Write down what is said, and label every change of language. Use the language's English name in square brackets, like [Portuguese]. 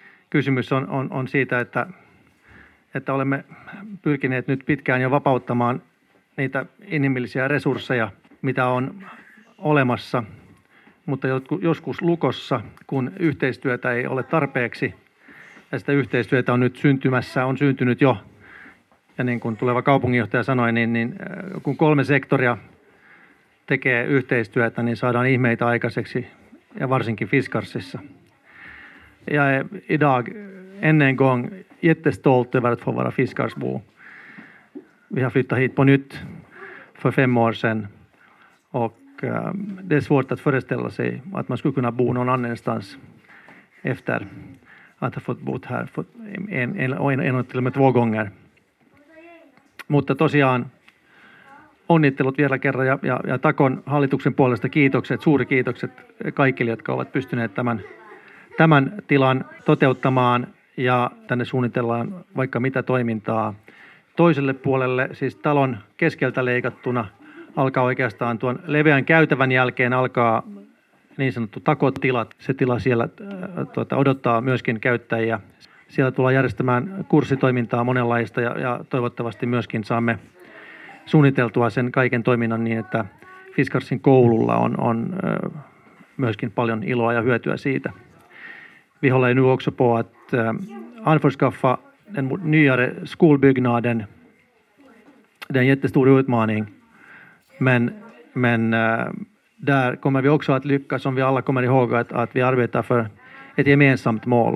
[Finnish] Kysymys on siitä, että olemme pyrkineet nyt pitkään jo vapauttamaan niitä inhimillisiä resursseja, mitä on olemassa, mutta joskus lukossa, kun yhteistyötä ei ole tarpeeksi, ja sitä yhteistyötä on nyt syntymässä, on syntynyt jo, ja niin kuin tuleva kaupunginjohtaja sanoi, niin kun kolme sektoria tekee yhteistyötä, niin saadaan ihmeitä aikaiseksi, ja varsinkin Fiskarsissa. [Swedish] Ja idag, ennen gång, jättestolt över att få vara Fiskarsbo. Vi har flyttat hit på nytt för 5 år sedan. Och det är svårt att föreställa sig att man skulle kunna bo någon annanstans efter att ha fått bott här en till och med 2 gånger. [Finnish] Mutta tosiaan onnittelut vielä kerran ja Takon hallituksen puolesta kiitokset, suuri kiitokset kaikille, jotka ovat pystyneet tämän tilan toteuttamaan ja tänne suunnitellaan vaikka mitä toimintaa. Toiselle puolelle, siis talon keskeltä leikattuna, alkaa oikeastaan tuon leveän käytävän jälkeen alkaa niin sanottu takotilat. Se tila siellä odottaa myöskin käyttäjiä. Siellä tullaan järjestämään kurssitoimintaa monenlaista ja toivottavasti myöskin saamme suunniteltua sen kaiken toiminnan niin, että Fiskarsin koululla on myöskin paljon iloa ja hyötyä siitä. [Swedish] Vi håller nu också på att anförskaffa den nyare skolbyggnaden. Det är en jättestor utmaning. Men där kommer vi också att lyckas, som vi alla kommer ihåg, att vi arbetar för ett gemensamt mål.